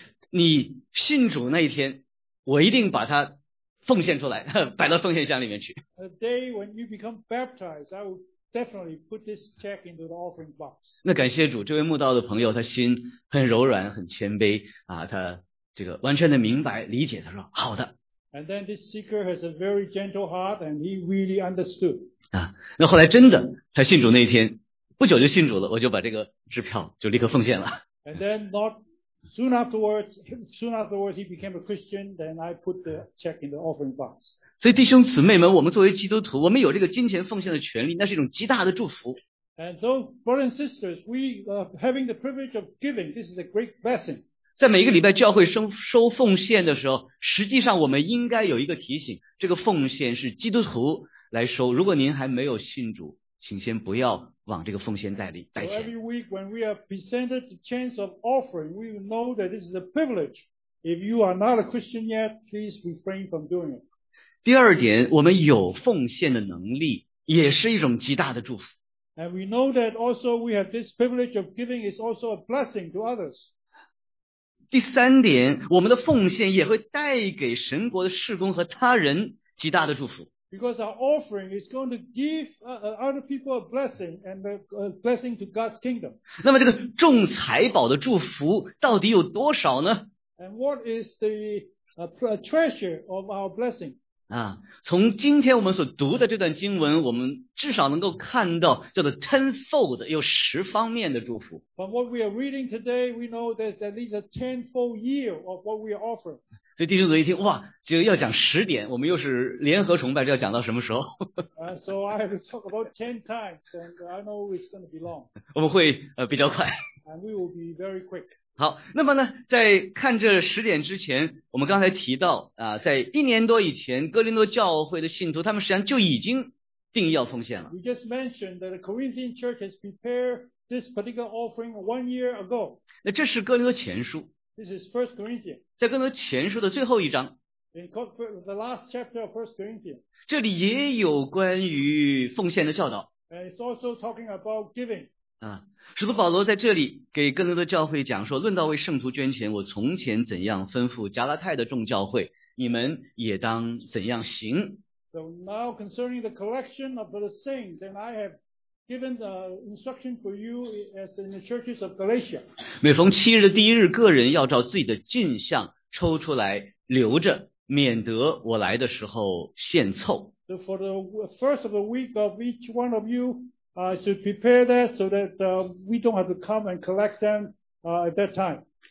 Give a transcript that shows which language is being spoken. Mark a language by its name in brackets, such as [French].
[Chinese] 你信主那一天，我一定把它奉献出来，摆到奉献箱里面去。 [English] A day when you become baptized, I will definitely put this check into the offering box. [Chinese] 那感谢主，这位慕道的朋友，他心很柔软，很谦卑啊，他这个完全的明白理解，他说好的。 [English] And then this seeker has a very gentle heart, and he really understood. [Chinese] 那后来真的，他信主那一天，不久就信主了，我就把这个支票就立刻奉献了。 [English] And then soon afterwards, he became a Christian. Then I put the check in the offering box. [Chinese] 所以弟兄姊妹们，我们作为基督徒，我们有这个金钱奉献的权利，那是一种极大的祝福。 [English] And so, brothers and sisters, we having the privilege of giving, this is a great blessing. [Chinese] 在每一个礼拜教会收奉献的时候，实际上我们应该有一个提醒：这个奉献是基督徒来收。如果您还没有信主，请先不要往这个奉献袋里带钱。 [English] So every week when we are presented the chance of offering, we know that this is a privilege. If you are not a Christian yet, please refrain from doing it. [Chinese] 第二点，我们有奉献的能力，也是一种极大的祝福。 [English] And we know that also we have this privilege of giving is also a blessing to others. [Chinese] 第三点，我们的奉献也会带给神国的事工和他人极大的祝福。 [English] Because our offering is going to give other people a blessing and a blessing to God's kingdom. [Chinese] 那么这个众财宝的祝福到底有多少呢？ [English] And what is the treasure of our blessing? [Chinese] 从今天我们所读的这段经文，我们至少能够看到叫做 tenfold, 有十方面的祝福。 [English] From what we are reading today, we know there's at least a tenfold yield of what we are offering. [Chinese] 所以弟兄姊妹一听，哇，就要讲十点，我们又是联合崇拜，这要讲到什么时候？ [English] So I have to talk about 10 times, and I know it's going to be long. [Chinese] 我们会比较快。 [English] And we will be very quick. [Chinese] 好，那么呢，在看这十点之前，我们刚才提到在一年多以前，哥林多教会的信徒，他们实际上就已经定义要奉献了。 [English] We just mentioned that the Corinthian church has prepared this particular offering 1 year ago. [Chinese] 那这是哥林多前书。 [English] This is First Corinthians. [Chinese] 在哥林多前书的最后一章， [English] in the last chapter of First Corinthians, [Chinese] 这里也有关于奉献的教导。 [English] And it's also talking about giving. [Chinese] 使徒保罗在这里给哥林多教会讲说，论到为圣徒捐钱，我从前怎样吩咐加拉太的众教会，你们也当怎样行。 [English] So now concerning the collection of the saints, and I have given the instruction for you as in the churches of Galatia. [Chinese] 每逢七日的第一日，个人要照自己的进项抽出来留着，免得我来的时候献凑。 [English] So for the first of the week of each one of you, should prepare that so that we don't have to come and collect them at that time.